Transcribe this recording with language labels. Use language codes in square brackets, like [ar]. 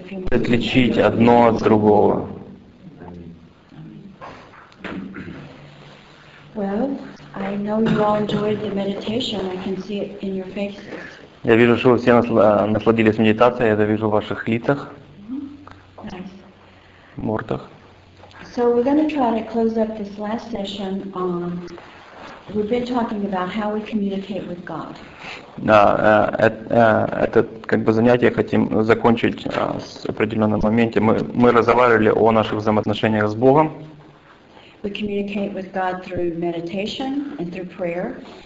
[ru] отличить одно от другого. [en] Well, I know you all enjoyed the meditation. I can see it in your faces. [ru] Я вижу, что вы все насладились медитацией, я это вижу в ваших лицах, мордах. [en] So we're going to try to close up this last session on we've been talking about how we communicate with God. [ru] Да, это как бы занятие хотим закончить с определенным моментом. Мы разговаривали о наших взаимоотношениях с Богом. [en] We communicate with God through meditation and through prayer.